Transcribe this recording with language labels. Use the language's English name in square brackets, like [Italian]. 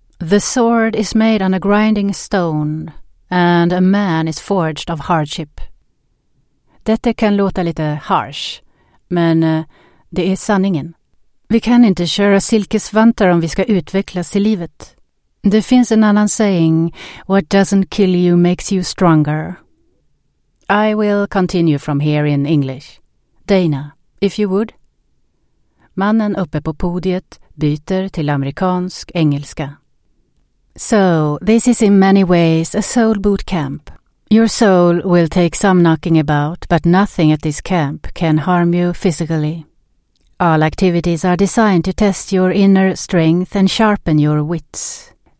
[English] The sword is made on a grinding stone and a man is forged of hardship. [Swedish] Detta kan låta lite harsh, men det är sanningen. Vi kan inte köra silkesvantar om vi ska utvecklas i livet. Det finns en annan saying, [English] what doesn't kill you makes you stronger. I will continue from here in English. Dana, if you would. [Swedish] Mannen uppe på podiet byter till amerikansk engelska. [English] So, this is in many ways a soul boot camp. Your soul will take some knocking about, but nothing at this camp can harm you physically. All activities are designed to test your inner strength and sharpen your wits.